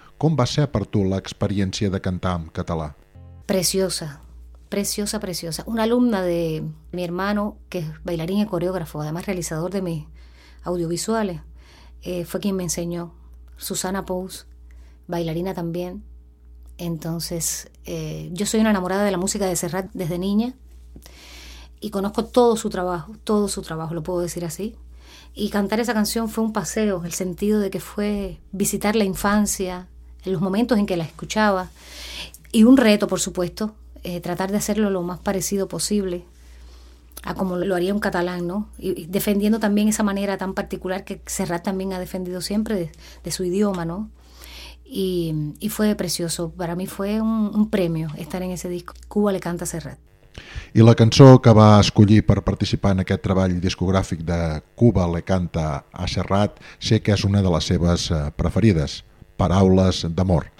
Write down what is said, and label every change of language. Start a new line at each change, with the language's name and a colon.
Catalan: Com va ser per tu l'experiència de cantar en català?
Spanish: Preciosa, preciosa, preciosa. Una alumna de mi hermano, que es bailarín y coreógrafo, además realizador de mis audiovisuales, fue quien me enseñó. Susana Pous, bailarina también. Entonces, yo soy una enamorada de la música de Serrat desde niña. Y conozco todo su trabajo, lo puedo decir así. Y cantar esa canción fue un paseo, en el sentido de que fue visitar la infancia, en los momentos en que la escuchaba. Y un reto, por supuesto, tratar de hacerlo lo más parecido posible a como lo haría un catalán, ¿no? Y defendiendo también esa manera tan particular que Serrat también ha defendido siempre de su idioma, ¿no? Y fue precioso. Para mí fue un premio estar en ese disco. Cuba le canta a Serrat.
Catalan: I la cançó que va escollir per participar en aquest treball discogràfic de Cuba le canta a Serrat, sé que és una de les seves preferides, Paraules d'amor.